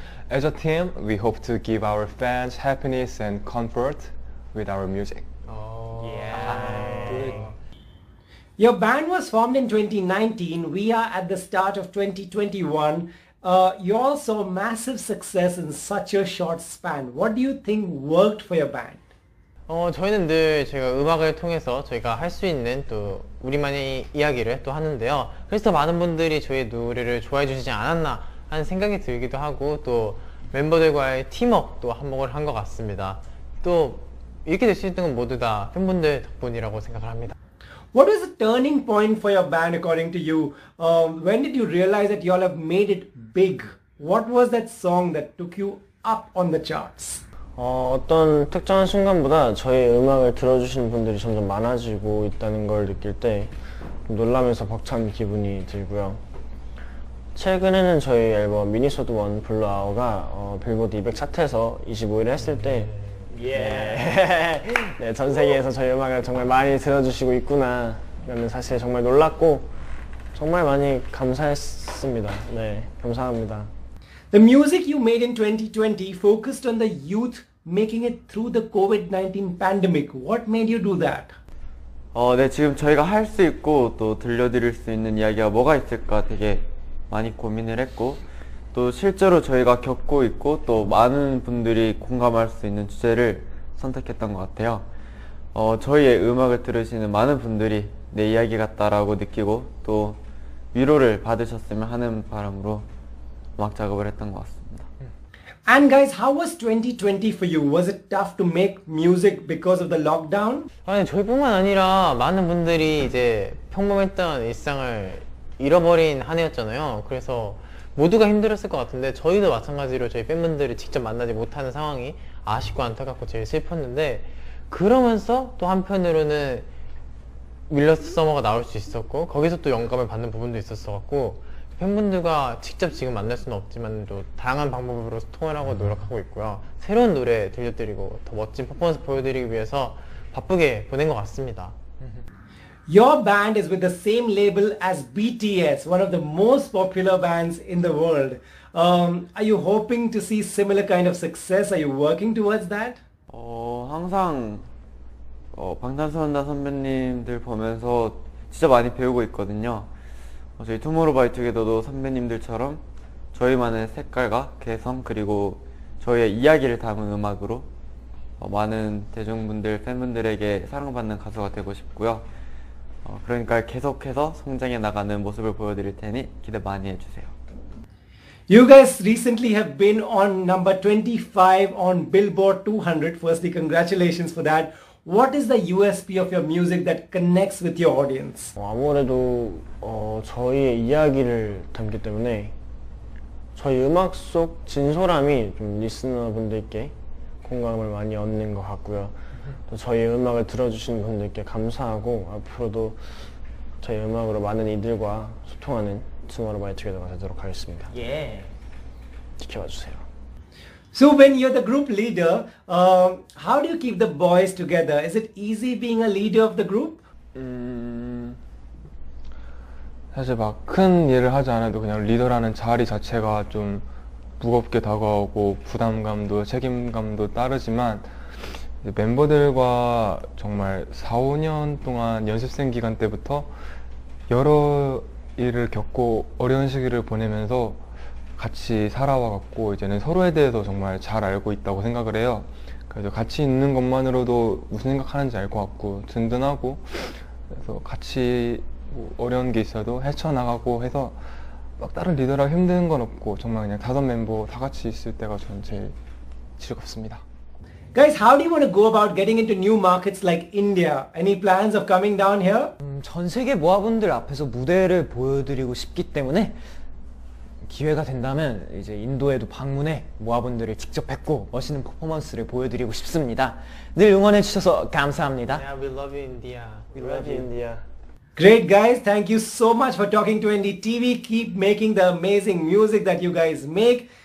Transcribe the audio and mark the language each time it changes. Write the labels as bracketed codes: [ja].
[en] As a team, we hope to give our fans happiness and comfort with our music. Oh, yeah. Good. Your band was formed in 2019. We are at the start of 2021. You all saw massive success in such a short span. What do you think worked for your band? [ko] 저희는 늘 저희가 음악을 통해서 저희가 할 수 있는 또 우리만의 이야기를 또 하는데요. 그래서 많은 분들이 저희 노래를 좋아해 주시지 않았나 하는 생각이 들기도 하고 또 멤버들과의 팀워크도 한몫을 한 것 같습니다. 또 이렇게 될 수 있는 건 모두 다 팬분들 덕분이라고 생각을 합니다. [en] What was the turning point for your band according to you? When did you realize that y'all have made it big? What was that song that took you up on the charts? [ko] 어떤 특정한 순간보다 저희 음악을 들어주시는 분들이 점점 많아지고 있다는 걸 느낄 때 놀라면서 벅찬 기분이 들고요. 최근에는 저희 앨범 미니소드 원 블루아워가 빌보드 200 차트에서 25위를 했을 때 예. 네, 전 세계에서 저희 음악을 정말 많이 들어주시고 있구나 라는 사실에 정말 놀랐고 정말 많이 감사했습니다. 네, 감사합니다. [en] The music you made in 2020 focused on the youth making it through the COVID-19 pandemic. What made you do that? [ko] 네, 지금 저희가 할 수 있고 또 들려드릴 수 있는 이야기가 뭐가 있을까 되게 많이 고민을 했고 또 실제로 저희가 겪고 있고 또 많은 분들이 공감할 수 있는 주제를 선택했던 것 같아요. 저희의 음악을 들으시는 많은 분들이 내 이야기 같다라고 느끼고 또 위로를 받으셨으면 하는 바람으로 음악 작업을 했던 것 같습니다. [en] And guys, how was 2020 for you? Was it tough to make music because of the lockdown? [ko] 아니, 저희뿐만 아니라 많은 분들이 이제 평범했던 일상을 잃어버린 한 해였잖아요. 그래서 모두가 힘들었을 것 같은데 저희도 마찬가지로 저희 팬분들을 직접 만나지 못하는 상황이 아쉽고 안타깝고 제일 슬펐는데 그러면서 또 한편으로는 윌러스 서머가 나올 수 있었고 거기서 또 영감을 받는 부분도 있었어 갖고 팬분들과 직접 지금 만날 수는 없지만 또 다양한 방법으로 소통을 하고 노력하고 있고요. 새로운 노래 들려드리고 더 멋진 퍼포먼스 보여드리기 위해서 바쁘게 보낸 것 같습니다. [en] Your band is with the same label as BTS, one of the most popular bands in the world. Are you hoping to see similar kind of success? Are you working towards that? [ko] 항상 방탄소년단 선배님들 보면서 진짜 많이 배우고 있거든요. 저희 투모로우바이투게더도 선배님들처럼 저희만의 색깔과 개성 그리고 저희의 이야기를 담은 음악으로 많은 대중분들, 팬분들에게 사랑받는 가수가 되고 싶고요. 그러니까 계속해서 성장해 나가는 모습을 보여드릴 테니 기대 많이 해주세요. [en] You guys recently have been on number 25 on Billboard 200. Firstly, congratulations for that. What is the USP of your music that connects with your audience? [ko] 아무래도 저희의 이야기를 담기 때문에 저희 음악 속 진솔함이 좀 리스너분들께 공감을 많이 얻는 것 같고요. 또 저희 음악을 들어주신 분들께 감사하고 앞으로도 저희 음악으로 많은 이들과 소통하는 Tomorrow by Together가 되도록 하겠습니다. 예. 지켜봐 주세요. [en] So when you're the group leader, how do you keep the boys together? Is it easy being a leader of the group? [ko] 사실 막 큰 일을 하지 않아도 그냥 리더라는 자리 자체가 좀 무겁게 다가오고 부담감도 책임감도 따르지만 멤버들과 정말 4, 5년 동안 연습생 기간 때부터 여러 일을 겪고 어려운 시기를 보내면서 같이 살아와갖고 이제는 서로에 대해서 정말 잘 알고 있다고 생각을 해요. 그래서 같이 있는 것만으로도 무슨 생각하는지 알 것 같고 든든하고 그래서 같이 뭐 어려운 게 있어도 헤쳐나가고 해서 막 다른 리더랑 힘든 건 없고 정말 그냥 다섯 멤버 다 같이 있을 때가 저는 제일 즐겁습니다. [en] Guys, how do you want to go about getting into new markets like India? Any plans of coming down here? [ko] 전 세계 모아분들 앞에서 무대를 보여드리고 싶기 때문에 기회가 된다면 이제 인도에도 방문해 모아분들을 직접 뵙고 멋있는 퍼포먼스를 보여드리고 싶습니다. 늘 응원해 주셔서 감사합니다. [en] Yeah, we love you, India. We love you, India. Great, guys. Thank you so much for talking to NDTV. Keep making the amazing music that you guys make.